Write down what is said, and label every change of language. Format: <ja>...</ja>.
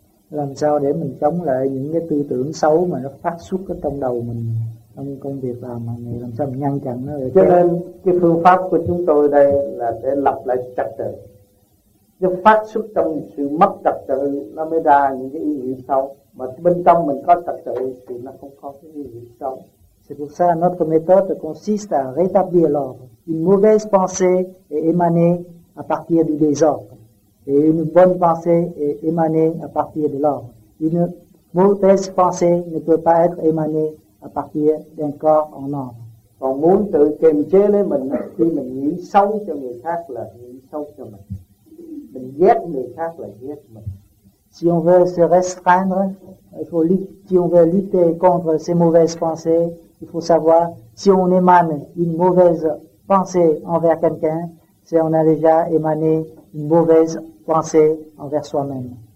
<vi>Làm sao để mình chống lại những cái tư tưởng xấu mà nó phát xuất ở trong đầu mình trong công việc làm hàng ngày, làm sao mình ngăn chặn nó? Cho nên cái phương pháp của chúng tôi đây là để lập lại trật tự. Cái phát xuất trong sự mất trật tự nó mới ra những cái ý nghĩa xấu, mà bên trong mình có trật tự thì nó không có cái ý nghĩa xấu.</vi> <fr>C'est pour ça que notre méthode consiste à rétablir l'ordre. Une mauvaise pensée est émanée à partir du désordre. Et une bonne pensée est émanée à partir de l'ordre. Une mauvaise pensée ne peut pas être émanée à partir d'un corps en ordre.</fr> <vi>On muốn tự kiềm chế lấy mình, khi mình nghĩ xấu cho người khác là nghĩ xấu cho mình. Mình ghét người khác là ghét mình.</vi> <fr>Si on veut se restreindre, il faut si on veut lutter contre ces mauvaises pensées, il faut savoir si on émane une mauvaise pensée envers quelqu'un, si on a déjà émané une mauvaise pensée envers soi-même.</fr>